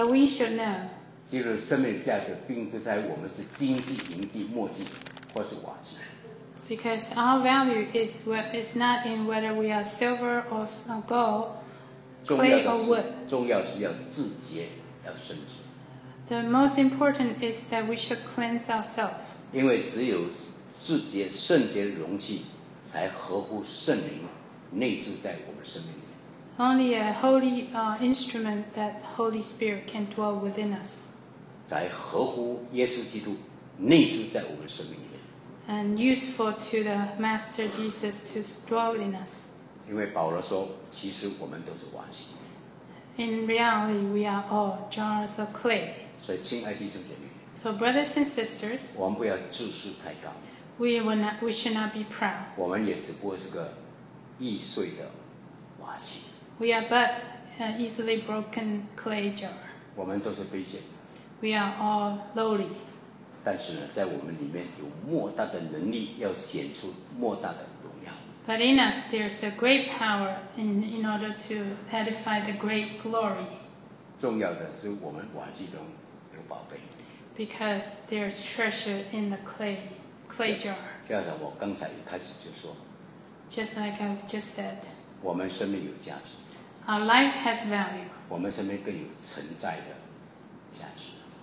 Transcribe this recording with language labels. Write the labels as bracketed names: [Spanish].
[English] But we should know. [Chinese] 基督生命的价值并不在我们是金器、银器、墨器，或是瓦器。 [English] Because our value is not in whether we are silver or gold, clay or wood. [Chinese] 重要是要自洁，要圣洁。 [English] The most important is that we should cleanse ourselves. [Chinese] 因为只有自洁圣洁的容器，才合乎圣灵内住在我们生命里。 [English] Only a holy instrument that the Holy Spirit can dwell within us. [Chinese] 才合乎耶稣基督内住在我们生命里。 [English] And useful to the Master Jesus to dwell in us. [Chinese] 因为保罗说，其实我们都是瓦器。 [English] In reality, we are all jars of clay. [Chinese] 所以，亲爱弟兄姐妹。 [English] So brothers and sisters. [Chinese] 我们不要自视太高。 [English] We should not be proud. [Chinese] 我们也只不过是个易碎的瓦器。 [English] We are but an easily broken clay jar. [Chinese] 我们都是卑贱。 [English] We are all lowly. [Chinese] 但是呢，在我们里面有莫大的能力，要显出莫大的。 [English] But in us, there's a great power in order to edify the great glory. [Chinese] 重要的是我们瓦器中有宝贝。 [English] Because there's treasure in the clay jar. [Chinese] 就像我刚才一开始就说。 [English] Just like I've just said. [Chinese] 我们生命有价值。 [English] Our life has value. [Chinese] 我们生命更有存在的价值。